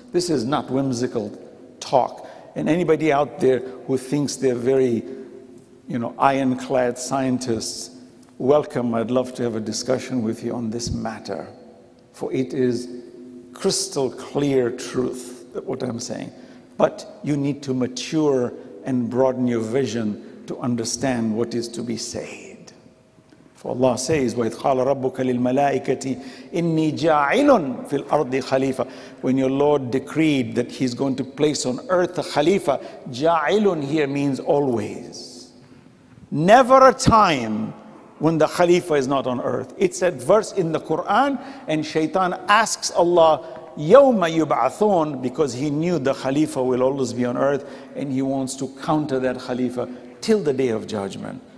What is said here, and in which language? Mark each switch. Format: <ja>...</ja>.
<en>This is not whimsical talk. And anybody out there who thinks they're very, you know, ironclad scientists, welcome. I'd love to have a discussion with you on this matter. For it is crystal clear truth, what I'm saying. But you need to mature and broaden your vision to understand what is to be said. For Allah says,</en> <ar>وَإِذْ قَالَ رَبُّكَ لِلْمَلَائِكَةِ إِنِّي جَاعِلٌ فِي الْأَرْضِ خَلِيفَةً.</ar> <en>When your Lord decreed that he's going to place on earth a khalifa, ja'ilun here means always. Never a time when the khalifa is not on earth. It's a verse in the Quran, and shaitan asks Allah,</en> <ar>yawma yub'athun,</ar> <en>because he knew the khalifa will always be on earth, and he wants to counter that khalifa till the day of judgment.</en>